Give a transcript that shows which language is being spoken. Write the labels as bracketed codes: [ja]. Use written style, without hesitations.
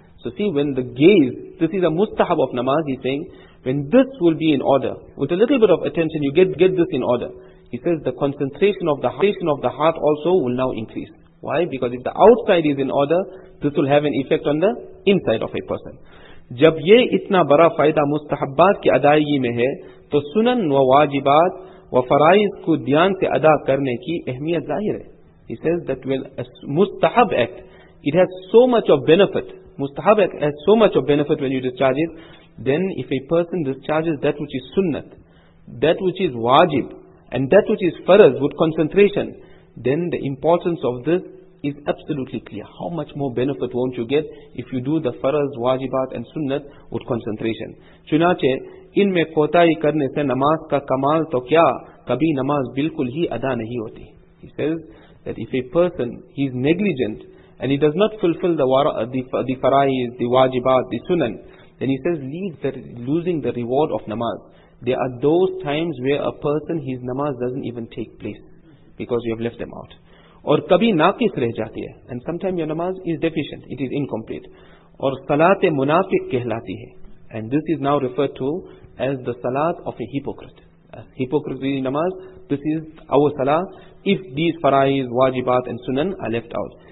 [en] So see, when the gaze, this is a mustahab of namaz, he's saying, when this will be in order, with a little bit of attention, you get this in order. He says the concentration of the heart also will now increase. Why? Because if the outside is in order, this will have an effect on the inside of a person. [ur] جب یہ اتنا برا فائدہ مستحبات کی ادائیگی میں ہے تو سنن و واجبات و فرائض کو دھیان سے ادا کرنے کی اہمیت ظاہر ہے. [en] He says that when a mustahab act, it has so much of benefit. Mustahab act has so much of benefit when you discharge it. Then if a person discharges that which is sunnat, that which is wajib, and that which is faraz with concentration, then the importance of this is absolutely clear. How much more benefit won't you get if you do the faraz, wajibat and sunnat with concentration. [ur] چنانچہ ان میں کوتاہی کرنے سے نماز کا کمال تو کیا کبھی نماز بالکل ہی ادا نہیں ہوتی. [en] He says that if a person, he is negligent and he does not fulfill the faraiz, the wajibat, the sunan, then he says leave that, losing the reward of namaz. There are those times where a person, his namaz doesn't even take place because you have left them out. [ur] اور کبھی ناقص رہ جاتی ہے. [en] And sometimes your namaz is deficient, it is incomplete. [ur] اور صلات منافق کہلاتی ہے. [en] And this is now referred to as the salat of a hypocrite. As hypocrite is namaz, this is our salah if these faraiz, wajibat and sunan are left out.